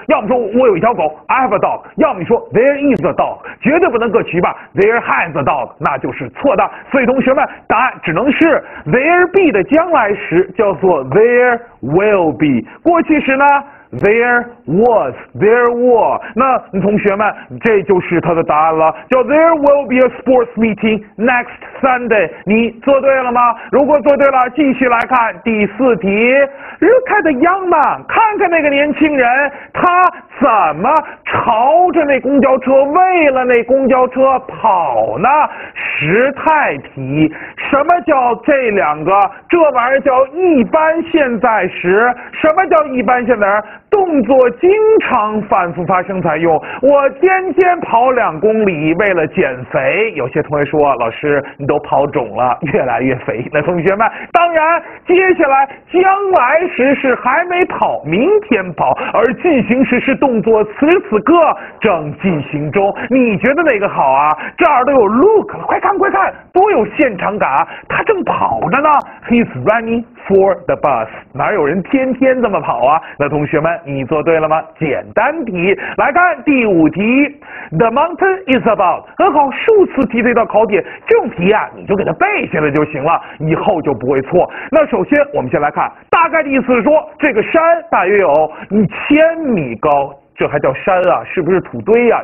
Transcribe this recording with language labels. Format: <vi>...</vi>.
<zh>要么说我有一条狗</zh> <en>I have a dog，</en> <zh>要么说</zh> <en>there is a dog，</en> <zh>绝对不能各取一半，</zh> <en>there has a dog</en> <zh>那就是错的。所以同学们，答案只能是 there be 的将来时叫做 there will be， 过去时呢</zh> <en>There was, there were。</en> <zh>那同学们，这就是他的答案了，叫</zh> <en>There will be a sports meeting next Sunday。</en> <zh>你做对了吗？如果做对了，继续来看第四题。</zh> <en>Look at the young man，</en> <zh>看看那个年轻人，他怎么朝着那公交车，为了那公交车跑呢？时态题。什么叫这两个？这玩意儿叫一般现在时。什么叫一般现在时？动作经常反复发生才用。我天天跑两公里为了减肥。有些同学说，老师你都跑肿了，越来越肥。那同学们，当然接下来将来时是还没跑，明天跑，而进行时是动作此时此刻正进行中。你觉得哪个好啊？这儿都有 look 了，快看快看，多有现场感，他正跑着呢。</zh> <en>He's running for the bus，</en> <zh>哪有人天天这么跑啊？那同学们，你做对了吗？简单题。来看第五题，</zh> <en>The mountain is about，</en> <zh>很好，数次题的一道考点，这种题啊你就给它背下来就行了，以后就不会错。那首先我们先来看大概的意思，是说这个山大约有1000米高，这还叫山啊？是不是土堆啊？</zh>